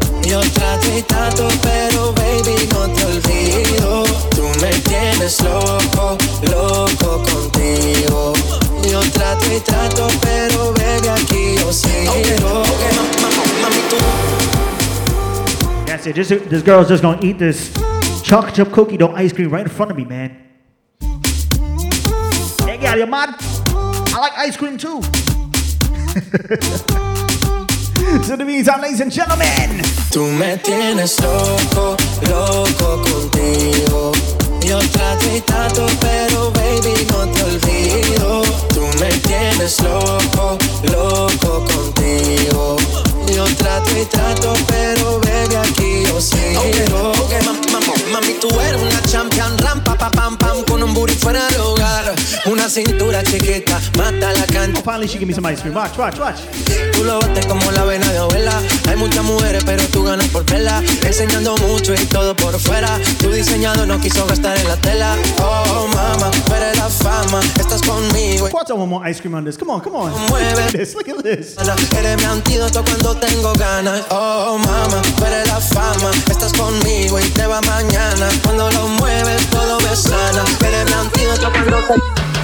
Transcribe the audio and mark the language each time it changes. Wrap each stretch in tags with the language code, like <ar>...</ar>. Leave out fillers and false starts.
<es>Yo trato y tanto, pero baby no te olvido. Tú me tienes loco, loco contigo. Yo trato y trato, pero baby aquí yo sigo.</es> <en>Yes, said, this girl's just gonna eat this chocolate chip cookie dough ice cream right in front of me, man. Hey, girl, you mad? I like ice cream too. So in the meantime, ladies and gentlemen.</en> <es>Tú me tienes loco, loco contigo. Yo trato y trato, pero baby, no te olvido. Tú me tienes loco, loco contigo. Yo trato y trato, pero baby, aquí yo sigo. Okay, okay, mami, tú eres una champion. Rampa, pa, pam, pam, con un booty fuera de hogar. Una cintura chiquita, mata la cancha.</es> <en>Oh, finally, she give me some ice cream. Watch, watch, watch.</en> <es>Tú lo bates como la vena de abuela. Hay muchas mujeres, pero tú ganas por vela. Enseñando mucho y todo por fuera. Tu diseñado no quiso gastar en la tela. Oh, mama, pero la fama. Estás conmigo.</es> <en>What's up, one more ice cream on this? Come on, come on.</en> <es>Mueve.</es> <en>Look at this, look at this.</en> <es>Eres mi antídoto cuando tengo ganas. Oh, mama, pero la fama. Estás conmigo y te va mañana. Cuando lo mueves, todo me sana. Eres mi antídoto cuando tengo.</es>